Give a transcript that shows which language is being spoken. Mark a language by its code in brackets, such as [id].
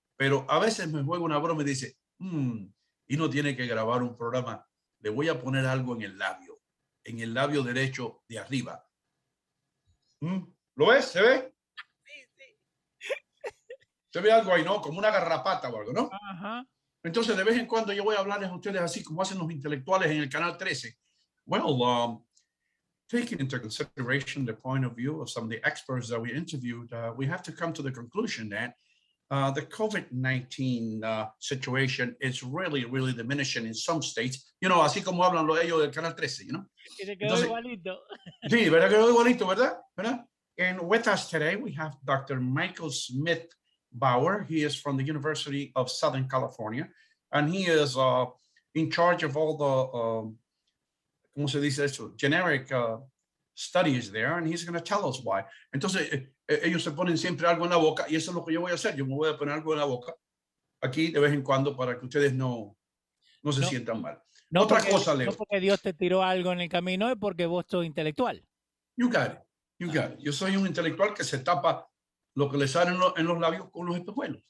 [es] Pero a veces me juega una broma y dice, y no tiene que grabar un programa, le voy a poner algo en el labio derecho de arriba. ¿Lo ves? ¿Se ve? Sí. Se ve algo ahí, ¿no? Como una garrapata o algo, ¿no? Ajá. Entonces, de vez en cuando yo voy a hablarles a ustedes así, como hacen los intelectuales en el Canal 13. [en] Well, taking into consideration the point of view of some of the experts that we interviewed, we have to come to the conclusion that the COVID-19 situation is really, really diminishing in some states. You know, [es] así como hablan ellos del Canal 13, [en] you know? [es] Entonces, igualito. Sí, ¿verdad? Quedó igualito, ¿verdad? ¿Verdad? [en] And with us today, we have Dr. Michael Smith Bauer. He is from the University of Southern California, and he is in charge of all the, [es] ¿cómo se dice esto? [en] Generic studies there, and he's going to tell us why. [es] Entonces, ellos se ponen siempre algo en la boca y eso es lo que yo voy a hacer. Yo me voy a poner algo en la boca aquí de vez en cuando para que ustedes no se sientan mal. No otra porque, cosa, Leo. No porque Dios te tiró algo en el camino, es porque vos sos intelectual. [en] You got it. [es] Yo soy un intelectual que se tapa lo que le sale en los labios con los espejuelos.